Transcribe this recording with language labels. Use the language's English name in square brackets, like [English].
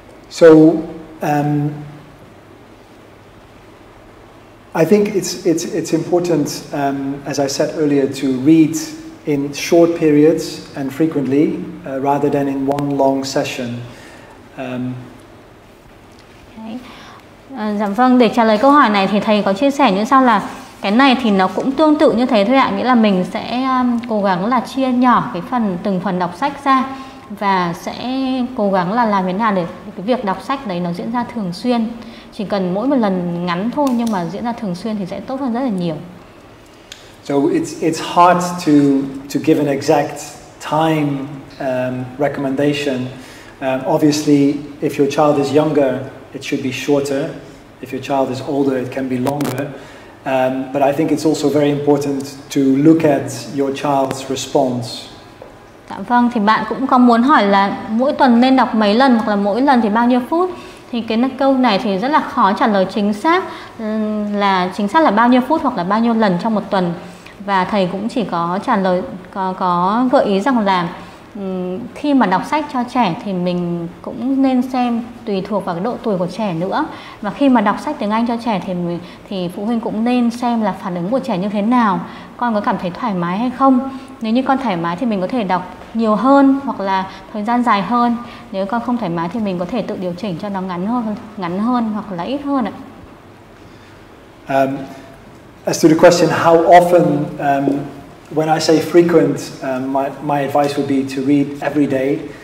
[English] So, I think it's important, as I said earlier, to read in short periods and frequently, rather than in one long session. Okay. [Vietnamese] Dạ vâng, để trả lời câu hỏi này thì thầy có chia sẻ như sau là cái này thì nó cũng tương tự như thế thôi ạ, nghĩa là mình sẽ cố gắng là chia nhỏ cái phần từng phần đọc sách ra. Và sẽ cố gắng là làm thế nào để cái việc đọc sách đấy nó diễn ra thường xuyên. Chỉ cần mỗi một lần ngắn thôi nhưng mà diễn ra thường xuyên thì sẽ tốt hơn rất là nhiều. [English] So it's hard to give an exact time recommendation. Obviously, if your child is younger, it should be shorter. If your child is older, it can be longer. But I think it's also very important to look at your child's response. [Vietnamese] Dạ vâng, thì bạn cũng có muốn hỏi là mỗi tuần nên đọc mấy lần hoặc là mỗi lần thì bao nhiêu phút? Thì cái câu này thì rất là khó trả lời chính xác là bao nhiêu phút hoặc là bao nhiêu lần trong một tuần. Và thầy cũng chỉ có trả lời, có gợi ý rằng là khi mà đọc sách cho trẻ thì mình cũng nên xem tùy thuộc vào cái độ tuổi của trẻ nữa. Và khi mà đọc sách tiếng Anh cho trẻ thì phụ huynh cũng nên xem là phản ứng của trẻ như thế nào, con có cảm thấy thoải mái hay không. Nếu như con thoải mái thì mình có thể đọc nhiều hơn hoặc là thời gian dài hơn. Nếu con không thoải mái thì mình có thể tự điều chỉnh cho nó ngắn hơn hoặc là ít hơn ạ. [English] As to the question how often, when I say frequent, my advice would be to read every day.